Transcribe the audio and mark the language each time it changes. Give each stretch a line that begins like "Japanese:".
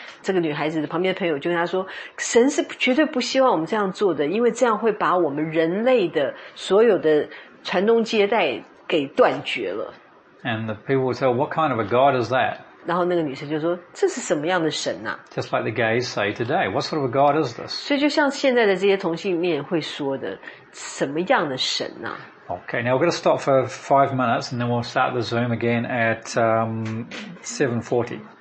Chinese: 这个女孩子的旁边的朋友就跟她说，神是绝对不希望我们这样做的，因为这样会把我们人类的所有的传宗接代给断绝了。
English: And the people would say, what kind of a God is that?
Chinese: 然后那个女生就说，这是什么样的神啊？
English: Just like the gays say today, what sort of a God is this?
Chinese: 所以就像现在的这些同性恋会说的，什么样的神啊？
English: Okay, now we're going to stop for 5 minutes and then we'll start the Zoom again at 7:40.